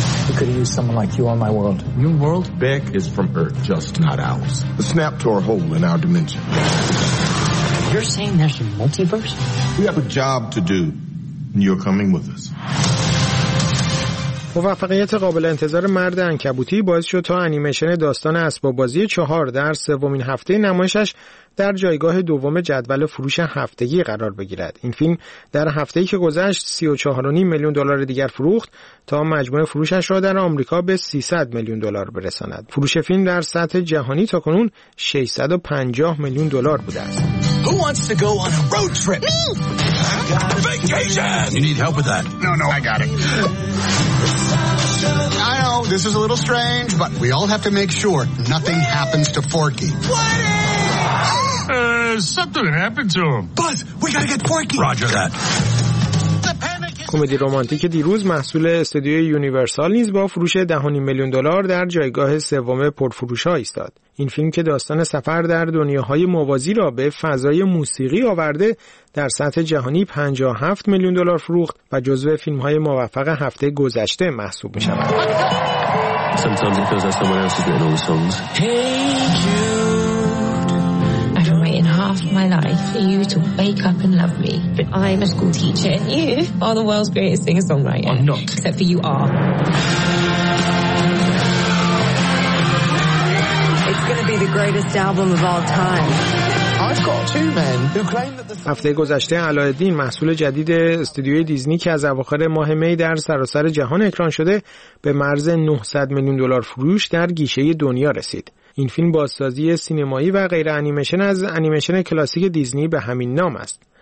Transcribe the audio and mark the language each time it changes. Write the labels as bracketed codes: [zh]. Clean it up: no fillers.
[en] I could use someone like you on my world. New world? Beck is from Earth, just not ours. A snap to our hole in our dimension. You're saying there's a multiverse? We have a job to do, and you're coming with us. [fa] موفقیت قابل انتظار مرد عنکبوتی باعث شد تا انیمیشن داستان اسباب بازی 4 در سومین هفته نمایشش در جایگاه دوم جدول فروش هفتگی قرار بگیرد. این فیلم در هفته‌ای که گذشت 34.5 میلیون دلار دیگر فروخت تا مجموع فروشش را در آمریکا به 300 میلیون دلار برساند. فروش فیلم در سطح جهانی تا کنون 650 میلیون دلار بوده است. [en] Who wants to go on a road trip? Me. Vacation. You need help with that? No, no, I got it. I know this is a little strange, but we all have to make sure nothing happens to Forky. What? Something happened to him. Buzz, we gotta get Forky. Roger that. [fa] کمدی رمانتیک دیروز محصول استودیوی یونیورسال نیز با فروش 10.5 میلیون دلار در جایگاه سوم پرفروش‌ها ایستاد. این فیلم که داستان سفر در دنیاهای موازی را به فضای موسیقی آورده در سطح جهانی 57 میلیون دلار فروخت و جزو فیلم‌های موفق هفته گذشته محسوب می‌شود. [en] Half my life for you to wake up and love me. But I'm a school teacher and you are the world's greatest singer-songwriter. I'm not. Except for you are. It's going to be the greatest album of all time. [fa] هفته گذشته علاءالدین محصول جدید استودیوی دیزنی که از اواخر ماه می در سراسر جهان اکران شده به مرز 900 میلیون دلار فروش در گیشه دنیا رسید. این فیلم بازسازی سینمایی و غیر انیمیشن از انیمیشن کلاسیک دیزنی به همین نام است.